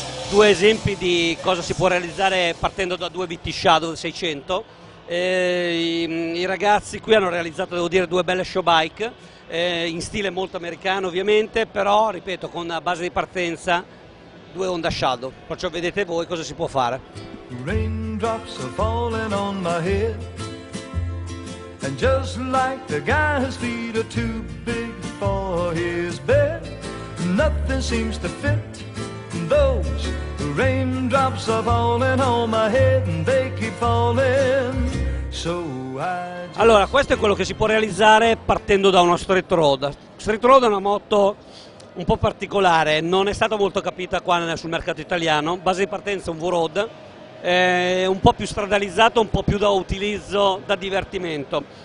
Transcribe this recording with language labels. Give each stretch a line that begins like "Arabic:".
Italian: Due esempi di cosa si può realizzare partendo da due VT Shadow 600. I ragazzi qui hanno realizzato, devo dire, due belle show bike in stile molto americano ovviamente, però ripeto, con una base di partenza due Honda Shadow, perciò vedete voi cosa si può fare.
English: Raindrops are falling on my head. And just like the guy whose feet are too big for his bed, nothing seems to fit. Those raindrops are falling on my head and they keep falling. So I just...
Italian: Allora, questo è quello che si può realizzare partendo da una Street Road. Street Road è una moto un po' particolare, non è stata molto capita qua sul mercato italiano. Base di partenza un V-Road. Un po' più stradalizzato, un po' più da utilizzo, da divertimento.